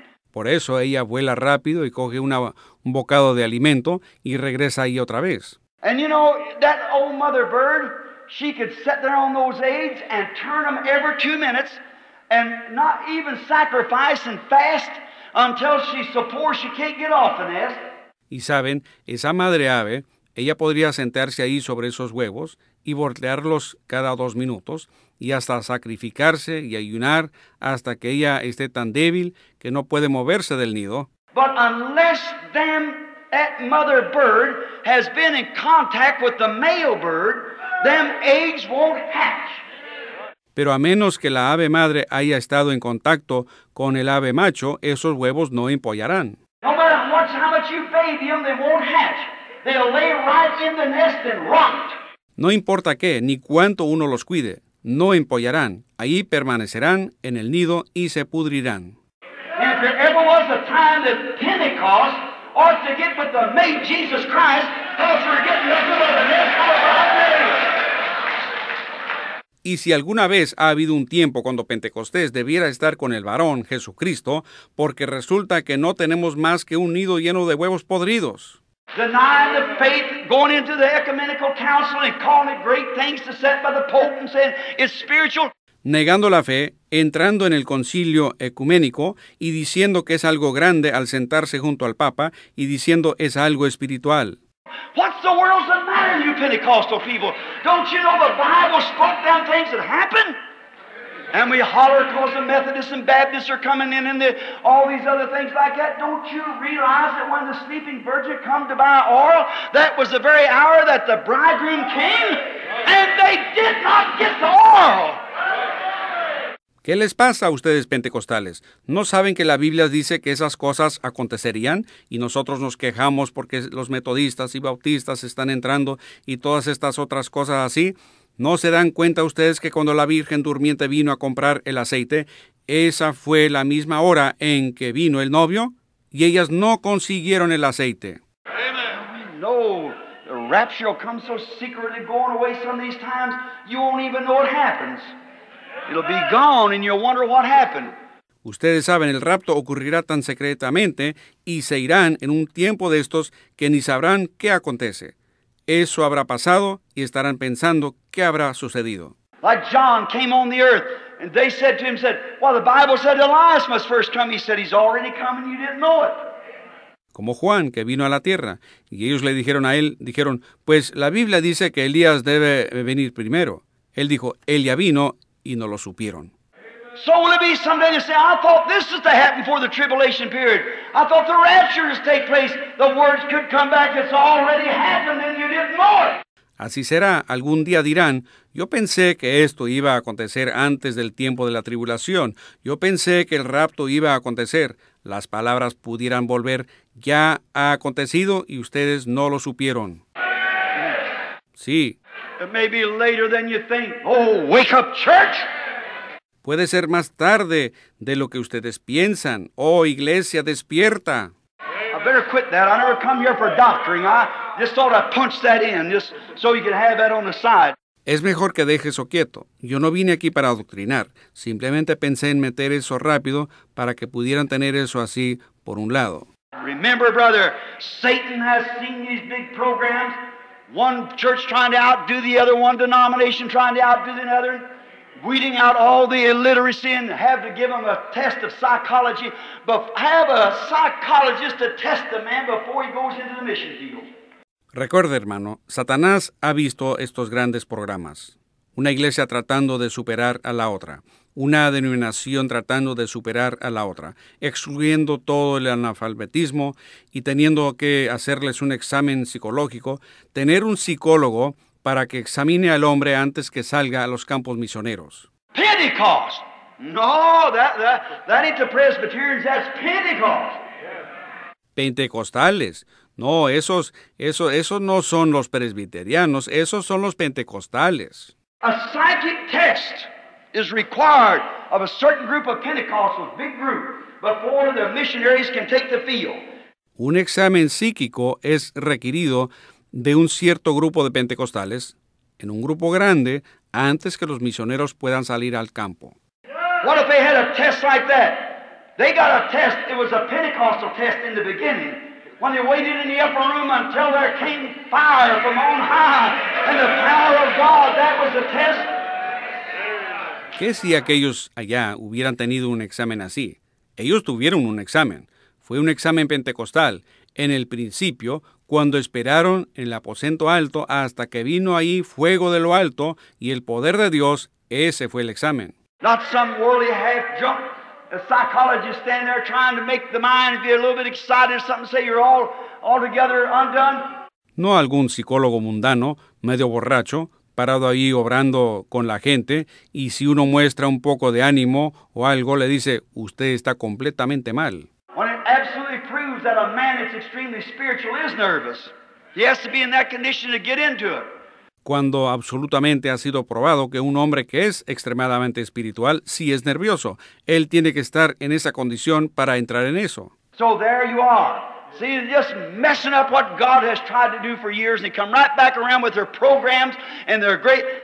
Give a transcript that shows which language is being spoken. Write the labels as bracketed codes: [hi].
[es] Por eso, ella vuela rápido y coge un bocado de alimento y regresa ahí otra vez. [en] And you know, that old mother bird, she could sit there on those eggs and turn them every 2 minutes and not even sacrifice and fast until she's so poor she can't get off the nest. [es] Y saben, esa madre ave, ella podría sentarse ahí sobre esos huevos y voltearlos cada 2 minutos y hasta sacrificarse y ayunar hasta que ella esté tan débil que no puede moverse del nido. [en] But unless that mother bird has been in contact with the male bird, them eggs won't hatch. [es] Pero a menos que la ave madre haya estado en contacto con el ave macho, esos huevos no empollarán. [en] No matter how much you baby them, they won't hatch. They'll lay right in the nest and rot. [es] No importa qué, ni cuánto uno los cuide, no empollarán. Ahí permanecerán en el nido y se pudrirán. [en] And if there ever was a time that Pentecost ought to get with the mate Jesus Christ, how's we're getting the good of the nest for the hot day. [es] Y si alguna vez ha habido un tiempo cuando Pentecostés debiera estar con el varón, Jesucristo, porque resulta que no tenemos más que un nido lleno de huevos podridos. [en] Denying the faith, going into the ecumenical council and calling it great things to set by the Pope and saying it's spiritual. [es] Negando la fe, entrando en el concilio ecuménico y diciendo que es algo grande al sentarse junto al Papa y diciendo es algo espiritual. [en] What's the world's the matter, you Pentecostal people? Don't you know the Bible spoke down things that happen? And we holler because the Methodists and Baptists are coming in and all these other things like that. Don't you realize that when the sleeping virgin come to buy oil, that was the very hour that the bridegroom came and they did not get the oil? [es] ¿Qué les pasa a ustedes, pentecostales? ¿No saben que la Biblia dice que esas cosas acontecerían? Y nosotros nos quejamos porque los metodistas y bautistas están entrando y todas estas otras cosas así. ¿No se dan cuenta ustedes que cuando la Virgen Durmiente vino a comprar el aceite, esa fue la misma hora en que vino el novio y ellas no consiguieron el aceite? No. [en] The rapture will come so secretly going away some of these times, you won't even know it happens. It'll be gone and you'll wonder what happened. [es] Ustedes saben, el rapto ocurrirá tan secretamente y se irán en un tiempo de estos que ni sabrán qué acontece. Eso habrá pasado y estarán pensando qué habrá sucedido. [en] Like John came on the earth and they said to him, said, well, the Bible said Elias must first come. He said, he's already come and you didn't know it. [es] Como Juan, que vino a la tierra, y ellos le dijeron a él, dijeron, pues la Biblia dice que Elías debe venir primero. Él dijo, él ya vino, y no lo supieron. [en] So will it be someday to say, I thought this is to happen before the tribulation period. I thought the rapture is to take place. The words could come back. It's already happened, and you didn't know it. [es] Así será. Algún día dirán, yo pensé que esto iba a acontecer antes del tiempo de la tribulación. Yo pensé que el rapto iba a acontecer. Las palabras pudieran volver, ya ha acontecido y ustedes no lo supieron. Sí. [en] It may be later than you think. Oh, wake up, church! [es] Puede ser más tarde de lo que ustedes piensan. Oh, iglesia, despierta. [en] I better quit that. I never come here for doctoring. I just thought I'd punch that in, just so you could have that on the side. [es] Es mejor que deje eso quieto. Yo no vine aquí para adoctrinar. Simplemente pensé en meter eso rápido para que pudieran tener eso así por un lado. [en] Remember, brother, Satan has seen these big programs. One church trying to outdo the other, one denomination trying to outdo the other. Weeding out all the illiteracy and have to give them a test of psychology. But have a psychologist to test the man before he goes into the mission field. [es] Recuerde, hermano, Satanás ha visto estos grandes programas. Una iglesia tratando de superar a la otra. Una denominación tratando de superar a la otra. Excluyendo todo el analfabetismo y teniendo que hacerles un examen psicológico. Tener un psicólogo para que examine al hombre antes que salga a los campos misioneros. [en] Pentecost. No, that ain't the Presbyterians, that's Pentecost. [es] Pentecostales. No, esos no son los presbiterianos, esos son los pentecostales. [en] A psychic test is required of a certain group of Pentecostals, big group, before the missionaries can take the field. [es] Un examen psíquico es requerido de un cierto grupo de pentecostales, en un grupo grande, antes que los misioneros puedan salir al campo. [en] What if they had a test like that? They got a test, it was a Pentecostal test in the beginning. When they waited in the upper room until there came fire from on high and the power of God, that was the test. [es] ¿Qué si aquellos allá hubieran tenido un examen así? Ellos tuvieron un examen. Fue un examen pentecostal. En el principio, cuando esperaron en el aposento alto hasta que vino ahí fuego de lo alto y el poder de Dios, ese fue el examen. [en] Not some worldly half junk. A psychologist stand there trying to make the mind be a little bit excited or something, say you're altogether undone. [es] No algún psicólogo mundano, medio borracho, parado ahí obrando con la gente, y si uno muestra un poco de ánimo o algo, le dice, usted está completamente mal. [en] When it absolutely proves that a man that's extremely spiritual is nervous, he has to be in that condition to get into it. [es] Cuando absolutamente ha sido probado que un hombre que es extremadamente espiritual sí es nervioso, él tiene que estar en esa condición para entrar en eso. [en] So there you are. See, just messing up what God has tried to do for years and come right back around with their programs and their great...